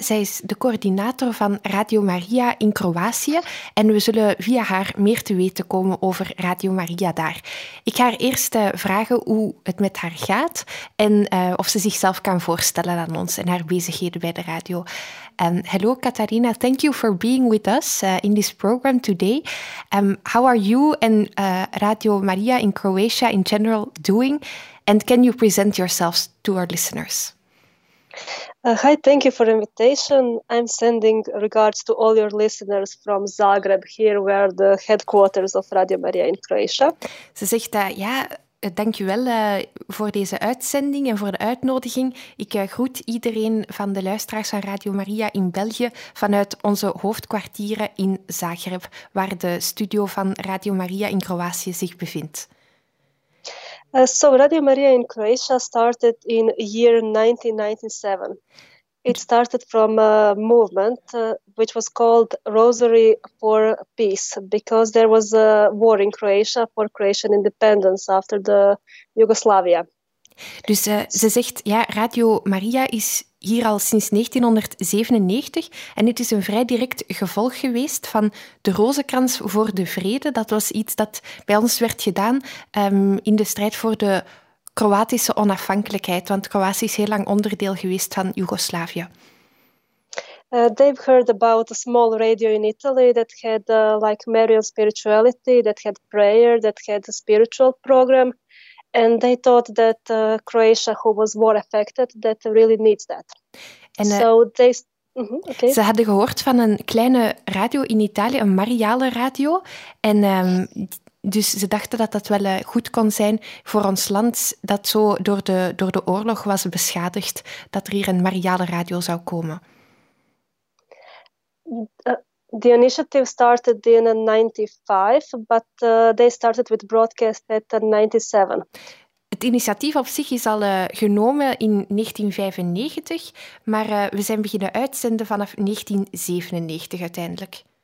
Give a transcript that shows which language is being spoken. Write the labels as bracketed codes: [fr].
[nl] Zij is de coördinator van Radio Maria in Kroatië. En we zullen via haar meer te weten komen over Radio Maria daar. Ik ga haar eerst vragen hoe het met haar gaat en of ze zichzelf kan voorstellen aan ons en haar bezigheden bij de radio. [en] Hello, Katarina. Thank you for being with us in this program today. How are you and Radio Maria in Croatia in general doing? And can you present yourselves to our listeners? Hi, thank you for the invitation. I'm sending regards to all your listeners from Zagreb, here where the headquarters of Radio Maria in Croatia. [nl] Ze zegt dat, ja, dankjewel voor deze uitzending en voor de uitnodiging. Ik groet iedereen van de luisteraars van Radio Maria in België vanuit onze hoofdkwartieren in Zagreb, waar de studio van Radio Maria in Kroatië zich bevindt. [en] So Radio Maria in Croatia started in year 1997. It started from a movement which was called Rosary for Peace because there was a war in Croatia for Croatian independence after the Yugoslavia. [nl] Dus ze zegt, ja, Radio Maria is hier al sinds 1997 en het is een vrij direct gevolg geweest van de Rozenkrans voor de Vrede. Dat was iets dat bij ons werd gedaan in de strijd voor de Kroatische onafhankelijkheid, want Kroatië is heel lang onderdeel geweest van Joegoslavië. [en] They've heard about a small radio in Italy that had like Marian spirituality, that had prayer, that had a spiritual program. And they thought that Croatia, who was war affected, that really needs that. [nl] En, okay. Ze hadden gehoord van een kleine radio in Italië, een mariale radio. En dus ze dachten dat dat wel goed kon zijn voor ons land, dat zo door de oorlog was beschadigd, dat er hier een mariale radio zou komen. [en] The initiative started in 95, but they started with broadcast at 97. [nl] Het initiatief op zich is al genomen in 1995, maar we zijn beginnen uitzenden vanaf 1997 uiteindelijk.